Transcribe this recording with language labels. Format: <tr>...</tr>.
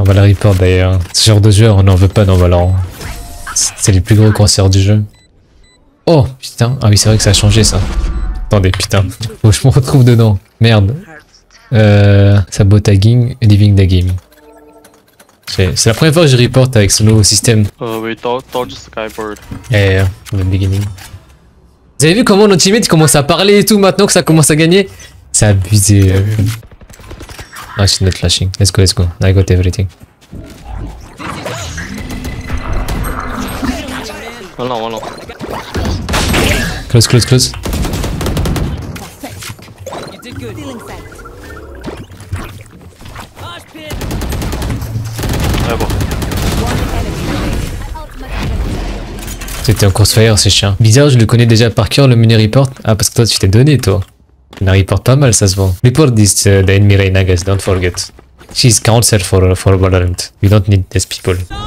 <fr>On va la report d'ailleurs. Ce genre de joueur, on n'en veut pas dans Valorant. C'est les plus gros cancers du jeu. Oh putain. Ah oui, c'est vrai que ça a changé ça. Attendez, putain. Faut que je me retrouve dedans. Merde.</fr> <en>Sabotaging, leaving the game.</en> <fr>C'est la première fois que je report avec ce nouveau système.</fr> <en>Dodge Skyboard. From the beginning.</en> <fr>Vous avez vu comment nos teammates commencent à parler et tout maintenant que ça commence à gagner? C'est abusé. Ah, c'est</fr> <en>not flashing. Let's go, let's go. I got everything.</en> <fr>Oh non.</fr> <en>Close.</en> <fr>C'était un crossfire, ces chiens. Bizarre, je le connais déjà par cœur, le mini report. Ah, parce que toi, tu t'es donné, toi. Il report pas mal, ça se voit.</fr> <en>Report this, the enemy Reyna, guys, don't forget. She's counsel for Valorant. We don't need these people.</en>